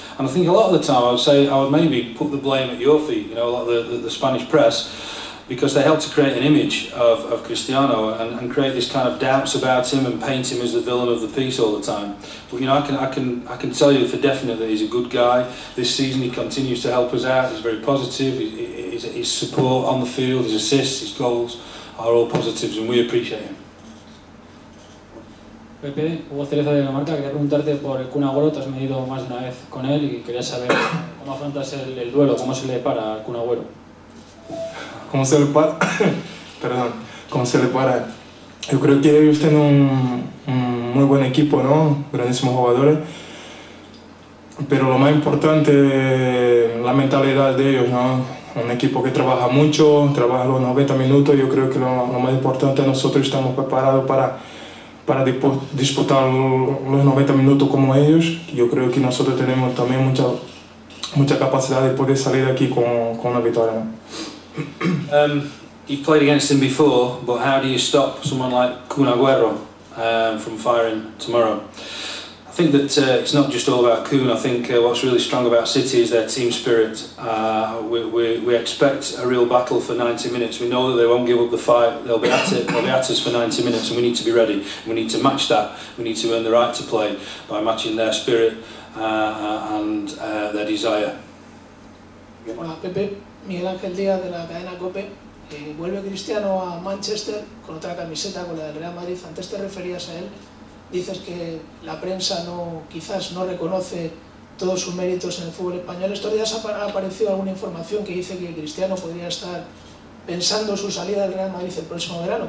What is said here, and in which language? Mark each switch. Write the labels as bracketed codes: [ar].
[en] And I think a lot of the time, I would maybe put the blame at your feet, you know, a lot of the Spanish press, because they helped to create an image of Cristiano and create this kind of doubts about him and paint him as the villain of the piece all the time. But you know, I can tell you for definite that he's a good guy. This season he continues to help us out, he's very positive, his support on the field, his assists, his goals are all positives and we appreciate him. [es] Pepe, Hugo Cereza de Dinamarca, quería preguntarte por el Kun Agüero, te has medido más de una vez con él y quería saber cómo afrontas el duelo, cómo se le para al Kun Agüero. ¿Cómo se le para? Perdón, ¿cómo se le para? Yo creo que ellos tienen un muy buen equipo, ¿no? Grandísimos jugadores. Pero lo más importante, la mentalidad de ellos, ¿no? Un equipo que trabaja mucho, trabaja los 90 minutos. Yo creo que lo más importante es nosotros estamos preparados para disputar los 90 minutos como ellos. Yo creo que nosotros tenemos también mucha capacidad de poder salir de aquí con una victoria, ¿no? [en] You've played against him before, but how do you stop someone like Kun Agüero from firing tomorrow? I think that it's not just all about Kun. I think what's really strong about City is their team spirit. We expect a real battle for 90 minutes. We know that they won't give up the fight. They'll be at us for 90 minutes, and we need to be ready. We need to match that. We need to earn the right to play by matching their spirit and their desire. [es] Miguel Ángel Díaz de la cadena COPE. Vuelve Cristiano a Manchester con otra camiseta, con la del Real Madrid. Antes te referías a él, dices que la prensa quizás no reconoce todos sus méritos en el fútbol español. Estos días ha aparecido alguna información que dice que Cristiano podría estar pensando su salida del Real Madrid el próximo verano.